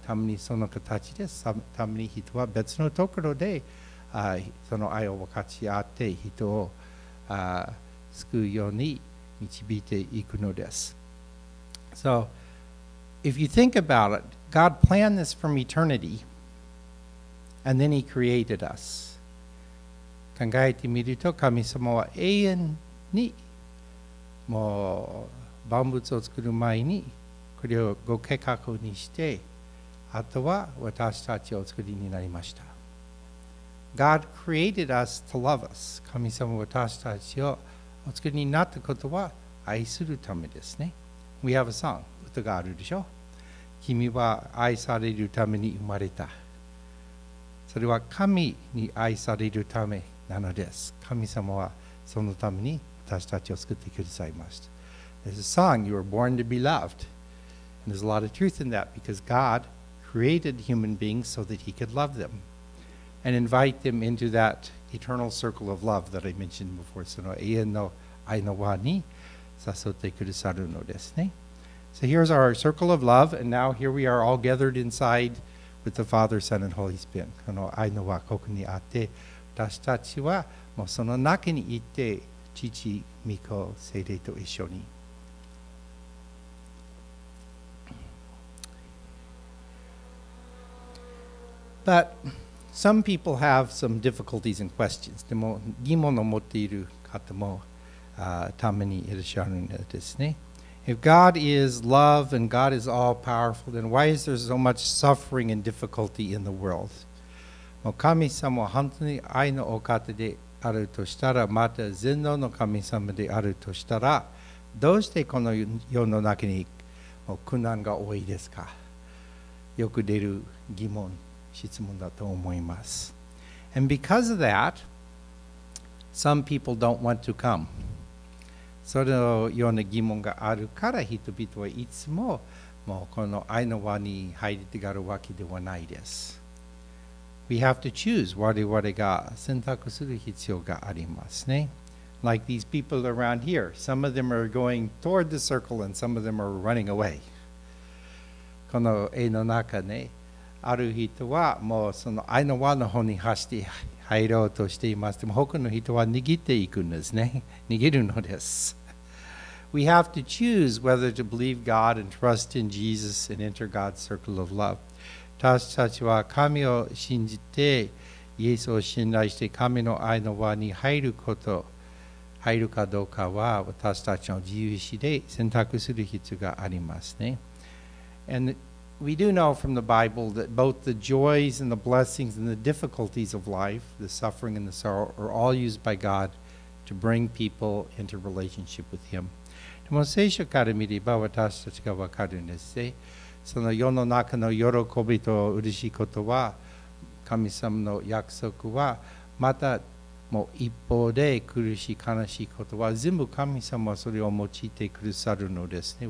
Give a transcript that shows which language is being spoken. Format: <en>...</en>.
<ja>ためにその形で、ために人は別のところで、その愛を分かち合って人を救うように導いていくのです。</ja> <en>So, if you think about it, God planned this from eternity, and then He created us.</en> <ja>考えてみると神様は永遠にもう万物を作る前にこれをご計画にしてあとは私たちをお作りになりました。</ja> <en>God created us to love us.</en> <ja>神様は私たちをお作りになったことは愛するためですね。</ja> <en>We have a song.</en> <ja>歌があるでしょ。君は愛されるために生まれた。それは神に愛されるためなのです。神様はそのために私たちを作ってくださいました。</ja> <en>There's a song, you were born to be loved. And there's a lot of truth in that, because God created human beings so that He could love them and invite them into that eternal circle of love that I mentioned before.</en> <ja>その永遠の愛の輪に誘ってくださるのですね。</ja> <en>So here's our circle of love, and now here we are all gathered inside with the Father, Son, and Holy Spirit.</en> <ja>この愛の輪ここにあって、私たちはもうその中にいて父、御子、聖霊と一緒に。</ja> <en>But some people have some difficulties and questions.</en> <ja>でも疑問を持っている方もためにいらっしゃるんですね。</ja> <en>If God is love and God is all powerful, then why is there so much suffering and difficulty in the world?</en> <ja>神様は本当に愛のお方であるとしたら、また全能の神様であるとしたら、どうしてこの世の中に苦難が多いですか？よく出る疑問、質問だと思います。</ja> <en>And because of that, some people don't want to come.</en> <ja>そのような疑問があるから、人々はいつも、もうこの愛の輪に入りたがるわけではないです。</ja> <en>We have to choose.</en> <ja>我々が選択する必要がありますね。</ja> <en>Like these people around here. Some of them are going toward the circle and some of them are running away.</en> <ja>この絵の中ね、ある人はもうその愛の輪の方に走って入ろうとしています。でも他の人は逃げていくんですね。逃げるのです。</ja> <en>We have to choose whether to believe God and trust in Jesus and enter God's circle of love.</en> <ja>私たちは神を信じて、イエスを信頼して、神の愛の輪に入ること、入るかどうかは、私たちの自由意志で選択する必要がありますね。</ja> <en>And we do know from the Bible that both the joys and the blessings and the difficulties of life, the suffering and the sorrow, are all used by God to bring people into relationship with Him.</en> <ja>でも聖書から見れば、私たちが分かるんですね。その世の中の喜びと嬉しいことは、神様の約束は、またもう一方で苦しい悲しいことは、全部神様はそれを用いてくださるのですね。</ja>